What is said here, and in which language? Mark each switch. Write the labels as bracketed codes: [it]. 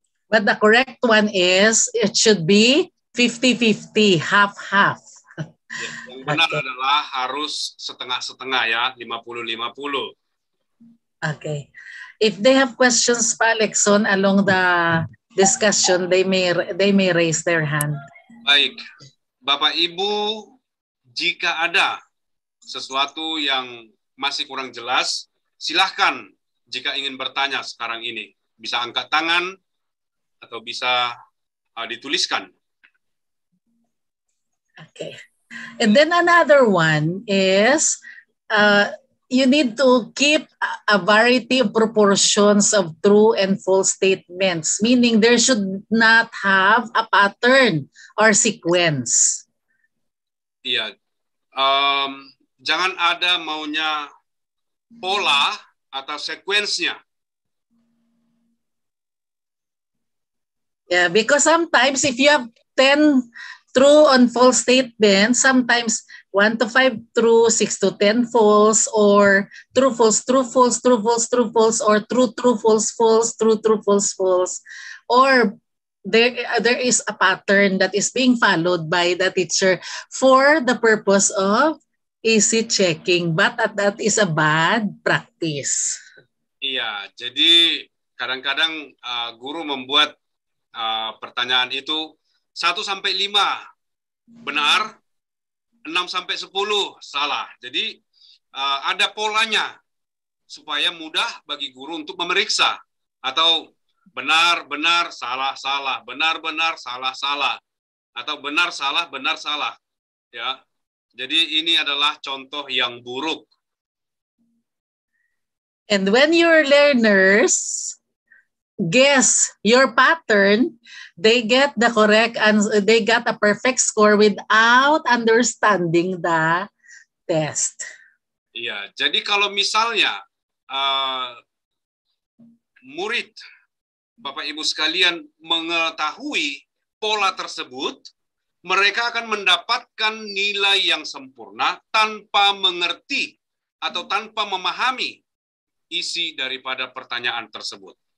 [en] But the correct one is, it should be 50-50, half-half. [id] Yang benar okay. adalah harus setengah-setengah ya, 50-50. [en] Okay. If they have questions, Palekson, along the discussion, they may raise their hand. [id] Baik. Bapak Ibu, jika ada sesuatu yang masih kurang jelas, silakan jika ingin bertanya sekarang ini. Bisa angkat tangan atau bisa dituliskan. [en] Okay. And then another one is you need to keep a variety of proportions of true and false statements, meaning there should not have a pattern or sequence. [id] Iya. Jangan ada maunya pola atau sequence-nya. [en] Yeah, because sometimes if you have 10 true and false statements, sometimes 1 to 5 true, 6 to 10 false, or true, false, true, false, true, false, true, false, or true, true, false, false, true, true, false, false. Or there is a pattern that is being followed by the teacher for the purpose of easy checking, but that is a bad practice. [id] Iya, jadi kadang-kadang guru membuat pertanyaan itu 1-5 benar, 6-10 salah. Jadi ada polanya supaya mudah bagi guru untuk memeriksa, atau benar-benar salah-salah, benar-benar salah-salah, atau benar salah benar salah. Ya. Jadi ini adalah contoh yang buruk. [en] And when your learners guess your pattern, they get the correct answer, they got a perfect score without understanding the test. [id] Iya, jadi kalau misalnya murid Bapak Ibu sekalian mengetahui pola tersebut, mereka akan mendapatkan nilai yang sempurna tanpa mengerti atau tanpa memahami isi daripada pertanyaan tersebut.